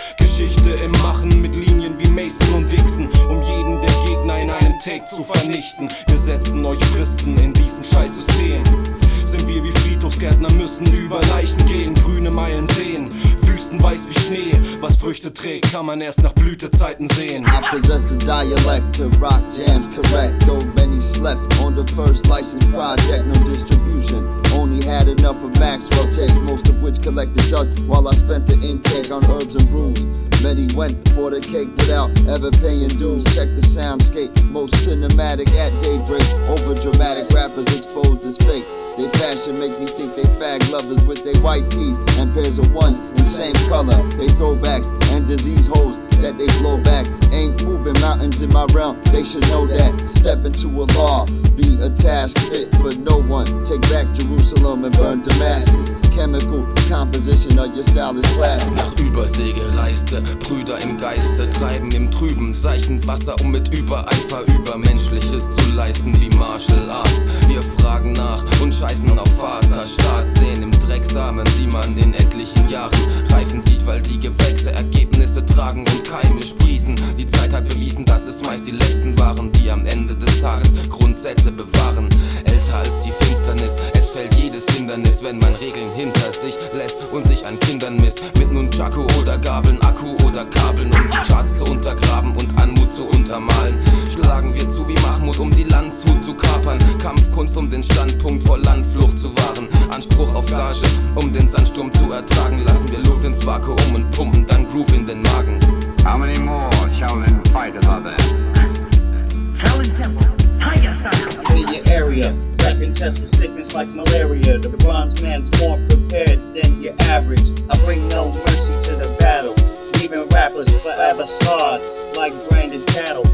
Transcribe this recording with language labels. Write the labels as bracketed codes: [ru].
[de] Geschichte im Machen mit Linien wie Mason und Dixon, um jeden der Gegner in einem Take zu vernichten. Wir setzen euch Fristen in diesem scheiß System. Sind wir wie Friedhofsgärtner, müssen über Leichen gehen, grüne Meilen sehen. Weiß wie Schnee, was Früchte trägt, kann man erst nach Blütezeiten sehen. [en] I possess the dialect to rock jams, correct. Though many slept on the first license project, no distribution. Only had enough of Maxwell takes, most of which collected dust while I spent the intake on herbs and brews. Many went for the cake without ever paying dues. Check the soundscape, most cinematic at daybreak. Overdramatic rappers exposed as fake. They passion make me think they fag lovers with their white tees and pairs of ones in same color. They throwbacks and disease holes that they blow back. Ain't moving mountains in my realm, they should know that. Step into a law, be a task fit for no one. Take back Jerusalem and burn Damascus. Chemical composition of your style is plastic. [de] Nach Übersee gereiste Brüder im Geiste treiben im trüben Seichenwasser, um mit Übereifer Übermenschliches zu leisten wie Martial Arts. Wir fragen nach und scheißen auf Vaterstaat. Sehen im Drecksamen, die man in etlichen Jahren reifen sieht, weil die Gewächse Ergebnisse tragen und Keime sprießen. Die Zeit hat bewiesen, dass es meist die Letzten waren, die am Ende des Tages Grundsätze bewahren. Älter als die Finsternis, es fällt jedes Hindernis, wenn man Regeln hinter sich lässt und sich an Kindern misst. Mit Nunchaku oder Gabeln, Akku oder Kabeln, um die Charts zu untergraben und Anmut zu untermalen. Schlagen wir zu wie Mahmut, um die Landshut zu kapern. Kampfkunst, um den Standpunkt vor Landflucht zu wahren. Anspruch auf Gage, um den Sandsturm zu ertragen. Lassen wir Luft ins Vakuum und pumpen dann Groove in den Magen. [en] How many more Shaolin fighters are there? Shaolin Temple, Tiger Style! In your area, rapping sets for sickness like malaria. The bronze man's more prepared than your average. I bring no mercy to the battle. Even rappers forever scarred, like branded cattle.